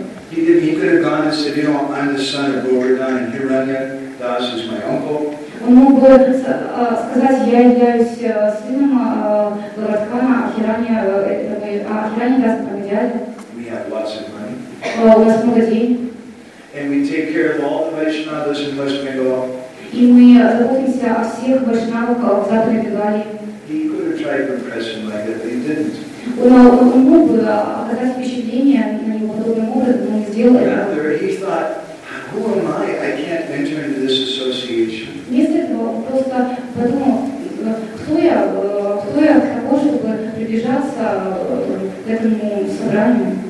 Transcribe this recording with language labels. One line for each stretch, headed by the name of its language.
English: He could have gone and said, you know, I'm the son of Govardhan and Hiranyadas is my uncle.
Russian: Он мог бы сказать, я являюсь сыном Гуратхана, Ахираньяс Прагадьяля. У нас много денег.
English: And we take care of all the Vaishnavas in West Bengal.
Russian: И мы заботимся о всех Вайшнавах в Западной Бенгалии.
English: He could have tried to impress him like that, but he didn't.
Russian: Он мог бы оказать впечатление на него подобным образом, но не сделал этого.
English: Rather, he thought, who am I? I can't enter into this association.
Russian: Вместо этого он просто подумал, кто я к тому, чтобы приближаться к этому собранию.